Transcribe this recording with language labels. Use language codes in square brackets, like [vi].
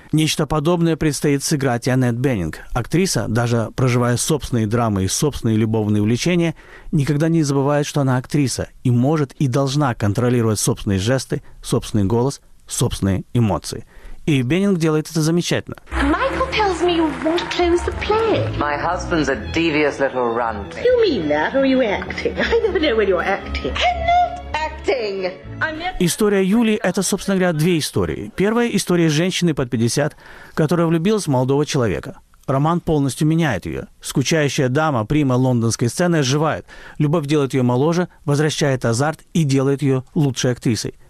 [ru] Нечто подобное предстоит сыграть и Аннет Беннинг. Актриса, даже проживая собственные драмы и собственные любовные увлечения, никогда не забывает, что она актриса и может и должна контролировать собственные жесты, собственный голос, собственные эмоции. И Беннинг делает это замечательно. [en] Michael tells me you won't close the play. My husband's a devious little runt. You mean that, or are you acting? I never know when you're acting. [ru] История Юлии – это, собственно говоря, две истории. Первая – история женщины под 50, которая влюбилась в молодого человека. Роман полностью меняет ее. Скучающая дама, прима лондонской сцены, оживает. Любовь делает ее моложе, возвращает азарт и делает ее лучшей актрисой.